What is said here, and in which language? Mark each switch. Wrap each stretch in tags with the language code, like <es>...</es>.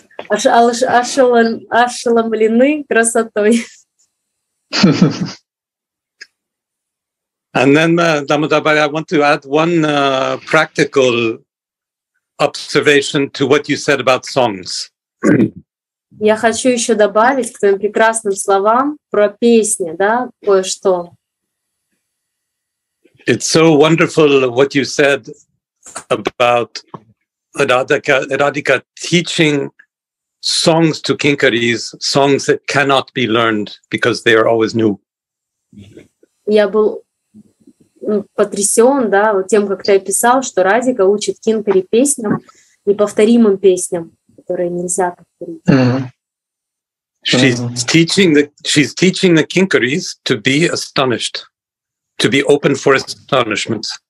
<ru>Ошеломлены красотой.</ru> <en>And then, Дамодабая, I want to add one practical observation to what you said about songs.</en> <ru>Я хочу еще добавить к твоим прекрасным словам про песни, да, кое-что.</ru> <en>It's so wonderful what you said about Radhika teaching songs to kinkaris, songs that cannot be learned because they are always new.</en> <ru>Я был потрясен, да, вот тем, как ты описал, что Радика учит кинкари песням, неповторимым песням, которые нельзя повторить. Mm-hmm.</ru> <en>She's teaching the kinkaris to be astonished, to be open for astonishment.</en>